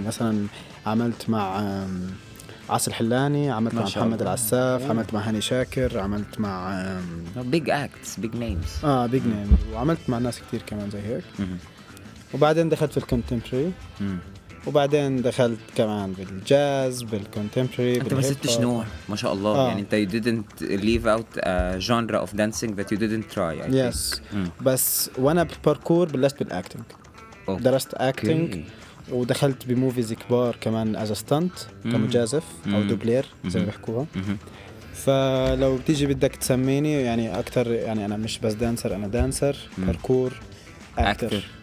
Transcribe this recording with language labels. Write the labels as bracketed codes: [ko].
[ar] مثلا عملت مع عاصي الحلاني، عملت مع محمد العساف. عملت مع هاني شاكر، عملت مع [en] big acts big names. big names. [ar] وعملت مع ناس كتير كمان زي هيك. وبعدين دخلت في الكونتمبري. وبعدين دخلت كمان بالجاز بالكونتمبري. انت ما سبتش نوع ما شاء الله. يعني انت [en] you didn't leave out a genre of dancing that you didn't try. yes. [ar] بس وانا بالباركور بلشت بالأكتنج. أوكي. درست أكتنج ودخلت بموفيز كبار كمان أز ستنت كمجازف أو دوبلير زي ما بيحكوها. فلو بتيجي بدك تسميني يعني أكتر، يعني أنا مش بس دانسر، أنا دانسر باركور أكتر.